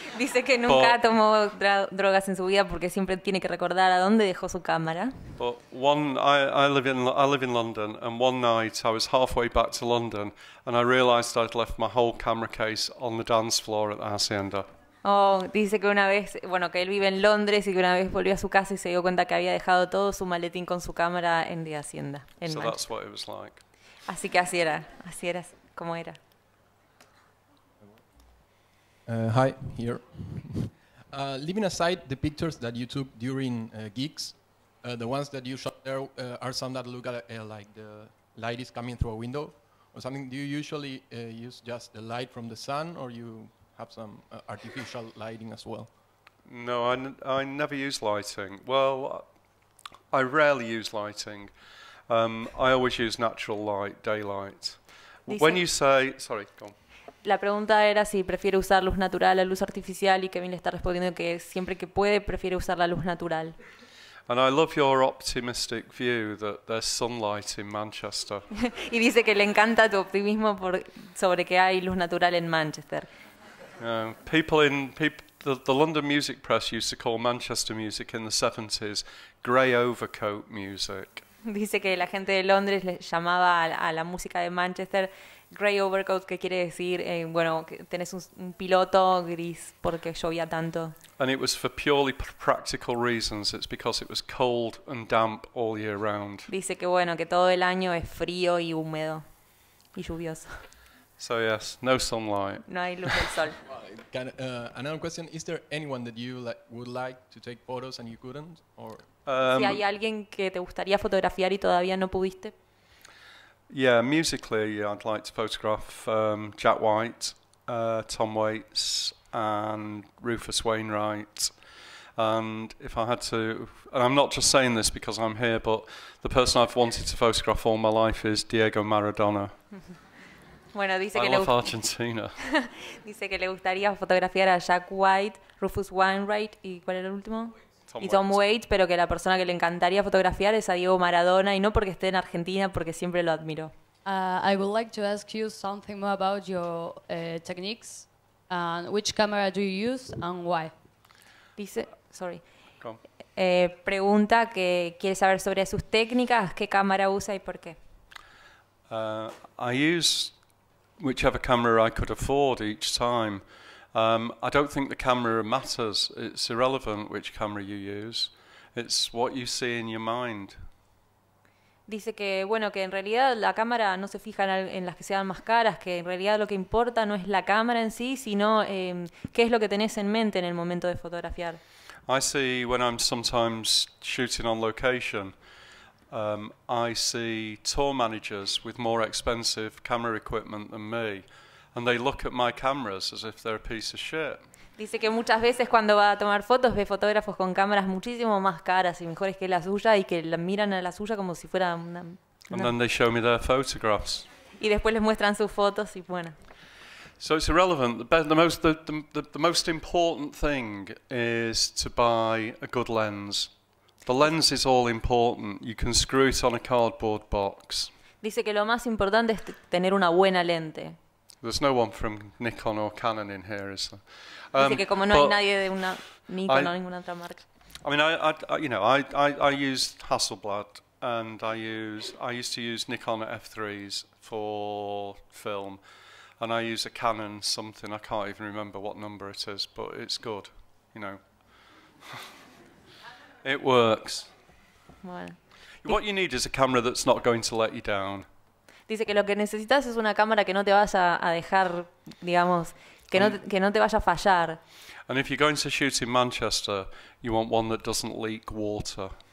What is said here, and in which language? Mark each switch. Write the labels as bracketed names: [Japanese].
[Spanish] Dice que nunca tomó drogas en su vida porque siempre tiene que recordar a dónde dejó su cámara. [English] But I live in London, and one night I was halfway back to London and I realized I'd left my whole camera case on the dance floor at the hacienda. [Spanish] Oh, dice que una vez, bueno, que él vive en Londres y que una vez volvió a su casa y se dio cuenta que había dejado todo su maletín con su cámara en la hacienda. En [English] so that's what it was like. [Spanish] Así que así era, como era. [English] Hi, here. Leaving aside the pictures that you took during gigs, the ones that you shot there are some that look like the light is coming through a window or something. Do you usually use just the light from the sun, or you have some artificial lighting as well? No, I never use lighting. Well, I rarely use lighting. I always use natural light, daylight. [Spanish] Dice, [English] when you say, sorry, go on. [Spanish] La pregunta era si prefiere usar luz natural a luz artificial, y Kevin le está respondiendo que siempre que puede prefiere usar la luz natural. [English] And I love your optimistic view that there's sunlight in Manchester. [Spanish] Y dice que le encanta tu optimismo sobre que hay luz natural en Manchester. [English] The London music press used to call Manchester music in the 70s grey overcoat music. [Spanish] Dice que la gente de Londres le llamaba a la música de Manchester [English] grey overcoat, [Spanish] que quiere decir, bueno, que tenés un piloto gris porque llovía tanto. [English] And it was for purely practical reasons. It's because it was cold and damp all year round. [Spanish] Dice que, bueno, que todo el año es frío y húmedo y lluvioso. [English] So yes, no sunlight. [Spanish] No hay luz del sol. [English] Another question: is there anyone that you would like to take photos and you couldn't, or? [Spanish] Si hay alguien que te gustaría fotografiar y todavía no pudiste. [English] Yeah, musically, I'd like to photograph Jack White, Tom Waits, and Rufus Wainwright. And if I had to, and I'm not just saying this because I'm here, but the person I've wanted to photograph all my life is Diego Maradona. [Spanish] Bueno, dice [English] I [Spanish] que [English] love [Spanish] le [English] Argentina. [Spanish] Dice que le gustaría fotografiar a Jack White, Rufus Wainwright y ¿cuál era el último? Tom Waits, pero que la persona que le encantaría fotografiar es a Diego Maradona, y no porque esté en Argentina, porque siempre lo admiro. [English] I would like to ask you something more about your techniques. Which camera do you use and why? [Spanish] Pregunta que quiere saber sobre sus técnicas, qué cámara usa y por qué. [English] I use whichever camera I could afford each time. I don't think the camera matters. It's irrelevant which camera you use. It's what you see in your mind. [Spanish] Dice que, bueno, que en realidad la cámara no se fija en las que sean más caras, que en realidad lo que importa no es la cámara en sí, sino qué es lo que tenés en mente en el momento de fotografiar. [English] I see when I'm sometimes shooting on location, I see tour managers with more expensive camera equipment than me, and they look at my cameras as if they're a piece of shit. [Spanish] Dice que muchas veces cuando va a tomar fotos ve fotógrafos con cámaras muchísimo más caras y mejores que la suya y que la miran a la suya como si fuera una... [English] And then they show me their photographs. [Spanish] Y después les muestran sus fotos y bueno. [English] So it's irrelevant. The most important thing is to buy a good lens. The lens is all important. You can screw it on a cardboard box. [Spanish] Dice que lo más importante es tener una buena lente. [English] There's no one from Nikon or Canon in here, is there? I used Hasselblad and I used to use Nikon F3s for film, and I use a Canon something, I can't even remember what number it is, but it's good, you know. It works. [Spanish] Bueno. [English] What you need is a camera that's not going to let you down. [Spanish] Dice que lo que necesitas es una cámara que no te vaya a dejar, digamos, que no te vaya a fallar. [English] And if you're going to shoot in Manchester, you want one that doesn't leak water.